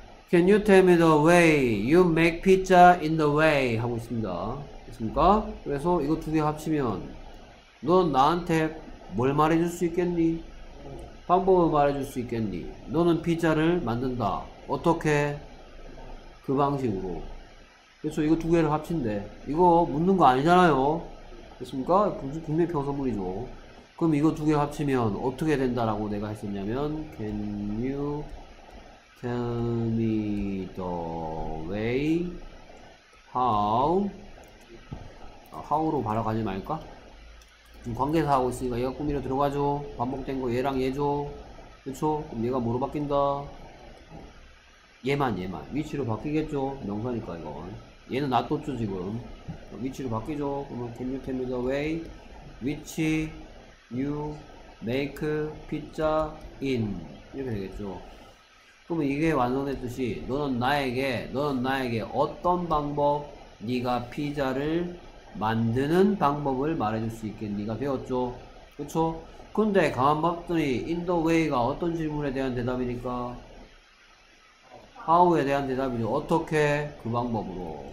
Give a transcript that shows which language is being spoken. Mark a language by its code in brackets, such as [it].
[en] 'Can you tell me the way you make pizza in the way?' [ko] 하고 있습니다. 됐습니까? 그래서 이거 두 개 합치면 넌 나한테 뭘 말해줄 수 있겠니? 방법을 말해줄 수 있겠니? 너는 피자를 만든다. 어떻게? 그 방식으로. 그래서 이거 두 개를 합친대. 이거 묻는 거 아니잖아요. 됐습니까? 분명히 평소문이죠. 그럼 이거 두 개 합치면 어떻게 된다라고 내가 했었냐면, [en] Can you tell me the way how? [ko] 아, how로 바로 가지 말까? 관계사 하고 있으니까 얘가 꾸미려 들어가죠. 반복된 거 얘랑 얘죠. 그쵸? 그럼 얘가 뭐로 바뀐다? 얘만. 위치로 바뀌겠죠? 명사니까 이건. 얘는 놔뒀죠, 지금. 위치로 바뀌죠? 그러면 [en] can you tell me the way which you make pizza in? [ko] 이렇게 되겠죠. 그러면 이게 완성됐듯이 너는 나에게 어떤 방법 네가 피자를 만드는 방법을 말해줄 수 있겠니가 되었죠. 그쵸? 근데 가만 봤더니 [en] in the way [ko] 가 어떤 질문에 대한 대답이니까 how에 대한 대답이죠. 어떻게? 그 방법으로.